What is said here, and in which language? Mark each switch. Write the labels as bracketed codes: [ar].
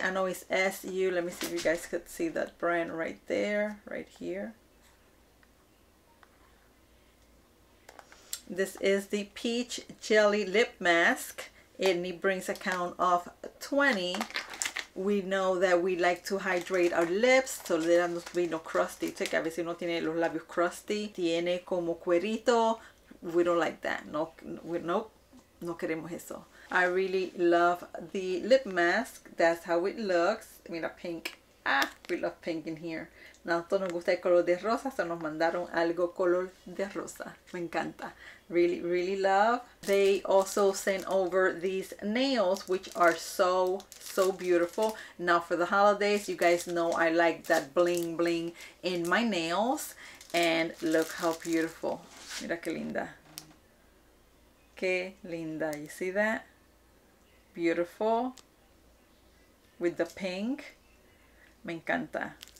[en] I know it's SU. Let me see if you guys could see that brand right there, right here. This is the peach jelly lip mask, and it brings a count of 20. We know that we like to hydrate our lips, so they don't be no crusty. [es] Que a veces no tiene los labios crusty. Tiene como cuerito. [en] We don't like that. [es] No queremos eso. [en] I really love the lip mask. That's how it looks. I mean, a pink. Ah, we love pink in here. [es] Nosotros nos gusta el color de rosa, so nos mandaron algo color de rosa. Me encanta. [en] Really, really love. They also sent over these nails, which are so beautiful. Now for the holidays, you guys know I like that bling in my nails. And look how beautiful. [es] Mira que linda. Que linda. [en] You see that? Beautiful. With the pink. [es] Me encanta.